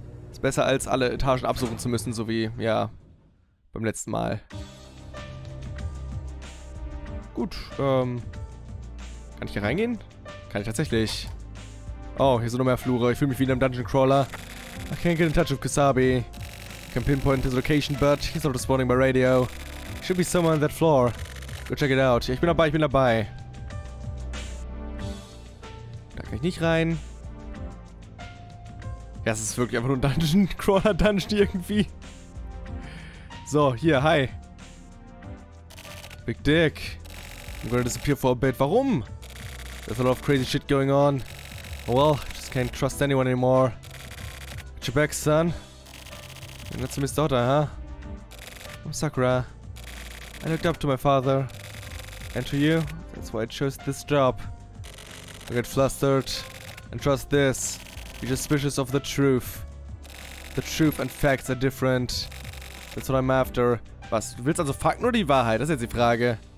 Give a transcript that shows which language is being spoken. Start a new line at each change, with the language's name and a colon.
German: Ist besser als alle Etagen absuchen zu müssen, so wie, ja, beim letzten Mal. Gut, kann ich hier reingehen? Kann ich tatsächlich. Oh, hier sind noch mehr Flure, ich fühle mich wie in einem Dungeon Crawler.
English: I can't get in touch with Kusabi. Can pinpoint his location, but he's not responding by radio. Should be somewhere on that floor. Go check it out.
German: Ja, ich bin dabei, ich bin dabei. Da kann ich nicht rein. Ja, es ist wirklich einfach nur ein Dungeon. Crawler-Dungeon irgendwie. So, hier, hi.
English: Big Dick. I'm gonna disappear for a bit.
German: Warum?
English: There's a lot of crazy shit going on. Well, just can't trust anyone anymore. Get your back, son. And that's Miss Daughter, huh? I'm Sakura. I looked up to my father. And to you, that's why I chose this job. I get flustered. And trust this, you're suspicious of the truth. The truth and facts are different. That's what I'm after.
German: Was? Du willst also Fakten oder die Wahrheit? Das ist jetzt die Frage.